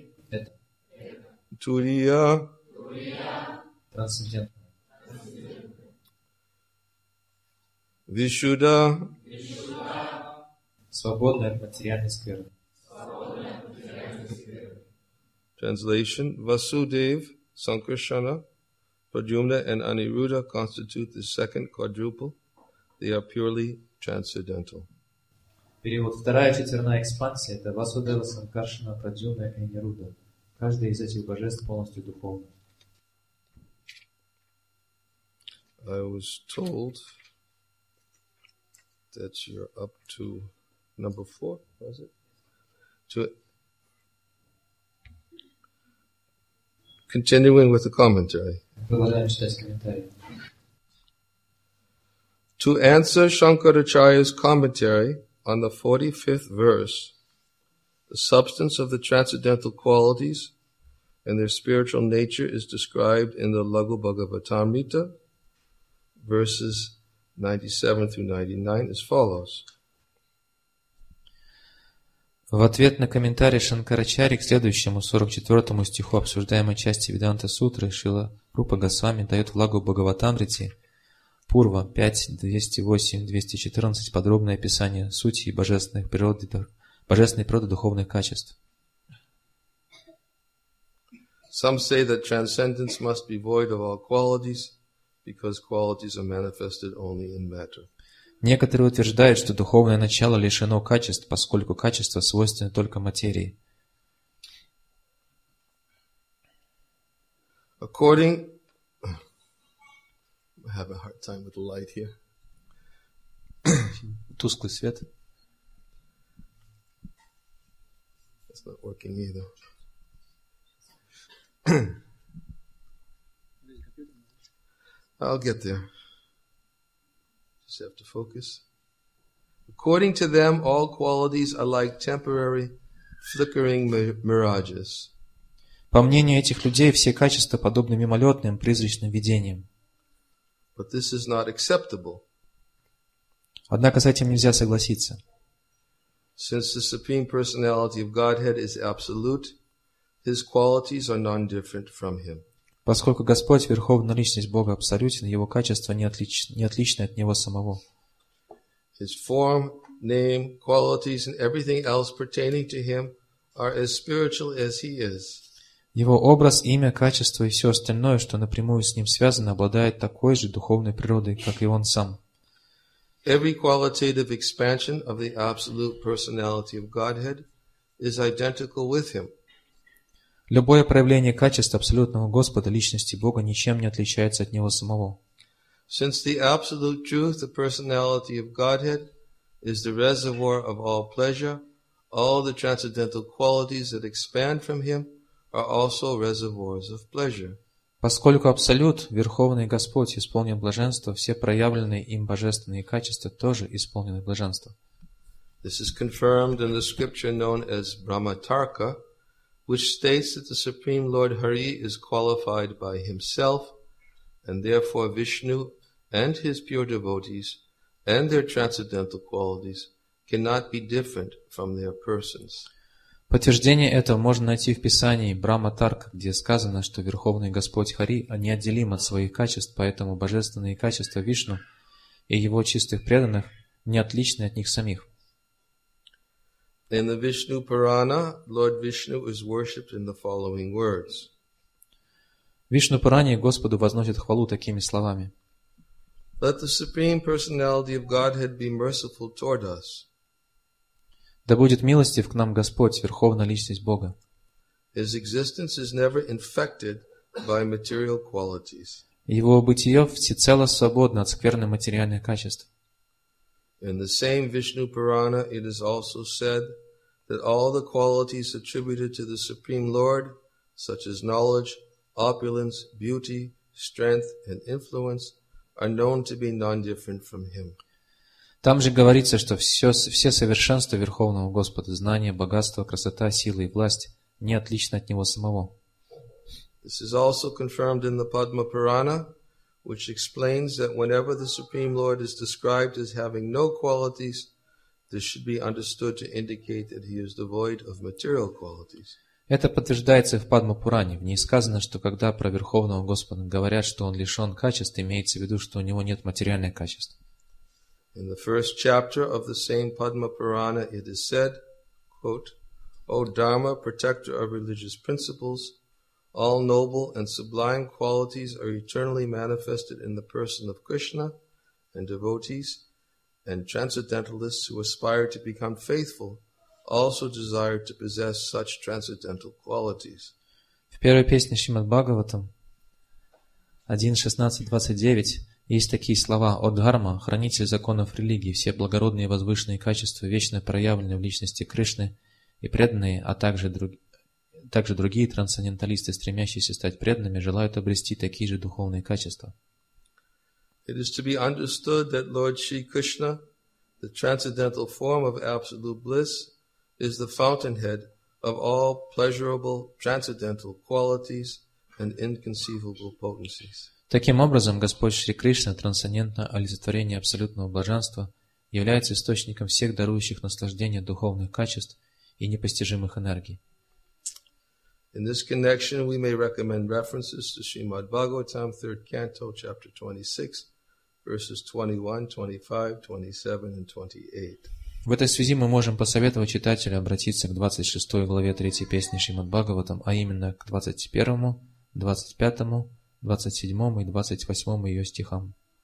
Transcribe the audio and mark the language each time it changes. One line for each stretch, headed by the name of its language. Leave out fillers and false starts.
Russian: Это. Турия. Турия. Трансцендентно. Вишуда. Вишуда. Свободная от материальной скверны. Свободная от материальной скверны.
English: Translation. Васудев, Санкаршана, Прадюмна and Анируда constitute the second quadruple. They are purely transcendental.
Russian: Перевод. Вторая четверная экспансия – это Васудева, Санкаршана, Прадюмна и Анируда. Каждый из этих божеств полностью духовный.
English: I was told that you're up to number four, was it? To continuing with the commentary.
Russian: Продолжаем читать комментарий.
English: To answer Shankaracharya's commentary on the 45th verse, the substance of the transcendental qualities and their spiritual nature is described in the Laghu Bhagavatamrita, verses 97 through 99, as follows.
Russian: В ответ на комментарий Шанкарачарьи к следующему 44 стиху обсуждаемой части Веданта Сутры Шрила Рупа Госвами дает в Лагу Бхагаватамрите Пурва 5.208.214 подробное описание сути и божественной природы духовных качеств.
English: Some say that transcendence must be void of all qualities, because qualities are manifested only in matter.
Russian: Некоторые утверждают, что духовное начало лишено качеств, поскольку качества свойственны только материи.
English: According, I'm having a hard time with the light here.
Russian: Тусклый свет.
English: It's not working either. I'll get there. Just have to focus. According to them, all qualities are like temporary, flickering mirages.
Russian: По мнению этих людей, все качества подобны мимолетным, призрачным видениям.
English: But this is not acceptable.
Russian: Однако с этим нельзя согласиться.
English: Since the Supreme Personality of Godhead is absolute, His qualities are non-different from Him.
Russian: Поскольку Господь, Верховная Личность Бога, абсолютен, Его качества не отличны от Него самого.
English: His form, name, qualities and everything else pertaining to Him are as spiritual as He is.
Russian: Его образ, имя, качество и все остальное, что напрямую с Ним связано, обладает такой же духовной природой, как и Он сам.
English: Every qualitative expansion of the absolute personality of Godhead is identical with Him.
Russian: Любое проявление качества Абсолютного Господа, Личности Бога, ничем не отличается от Него самого.
English: Since the absolute truth, the personality of Godhead, is the reservoir of all pleasure, all the transcendental qualities that expand from Him are also reservoirs of pleasure.
Russian: Поскольку Абсолют, Верховный Господь, исполнен блаженства, все проявленные им божественные качества тоже исполнены блаженства.
English: This is confirmed in the scripture known as Brahmatarka, which states that the Supreme Lord Hari is qualified by Himself, and therefore Vishnu and His pure devotees and their transcendental qualities cannot be different from their persons.
Russian: Подтверждение этого можно найти в Писании Брахматарка, где сказано, что Верховный Господь Хари неотделим от своих качеств, поэтому божественные качества Вишну и Его чистых преданных не отличны от них самих.
English: In the Vishnu Purana, Lord Vishnu is worshipped in the following words.
Russian: В Вишну Пуране Господу возносят хвалу такими словами.
English: Let the Supreme Personality of Godhead be merciful toward us.
Russian: Да будет милостив к нам Господь, Верховная Личность Бога.
English: His existence is never infected by material qualities.
Russian: Его бытие всецело свободно от скверных материальных качеств.
English: In the same Vishnu Purana, it is also said that all the qualities attributed to the Supreme Lord, such as knowledge, opulence, beauty, strength, and influence, are known to be non-different from Him.
Russian: Там же говорится, что все совершенства Верховного Господа, знание, богатство, красота, сила и власть, не отличны от Него самого.
English: This is also confirmed in the Padma Purana, which explains that whenever the Supreme Lord is described as having no qualities, This should be understood to indicate that he is devoid of material qualities.
Russian: Это подтверждается и в Падма-пуране. В ней сказано, что когда про Верховного Господа говорят, что он лишен качеств, имеется в виду, что у него нет материальных качеств.
English: In the first chapter of the same Padma-purana it is said, quote, O Dharma, protector of religious principles, all noble and sublime qualities are eternally manifested in the person of Krishna and devotees, and transcendentalists who aspire to become faithful also desire to possess such transcendental qualities.
Russian: В первой песне Шримад-Бхагаватам 1.16.29 есть такие слова: «О Дхарма, хранитель законов религии, все благородные и возвышенные качества вечно проявлены в личности Кришны и преданные, а также другие трансценденталисты, стремящиеся стать преданными, желают обрести такие же духовные качества».
English: It is to be understood that Lord Shri Krishna, the transcendental form of absolute bliss, is the fountainhead of all pleasurable transcendental qualities and inconceivable potencies.
Russian: Таким образом, Господь Шри Кришна, трансцендентное олицетворение абсолютного блаженства, является источником всех дарующих наслаждения духовных качеств и непостижимых энергий.
English: In this connection, we may recommend references to Srimad Bhagavatam, 3rd Canto, chapter 26, verses 21, 25, 27, and 28.
Russian: В этой связи мы можем посоветовать читателю обратиться к 26 главе 3 песни Шримад-Бхагаватам, а именно к 21, 25, 27 и 28 ее стихам.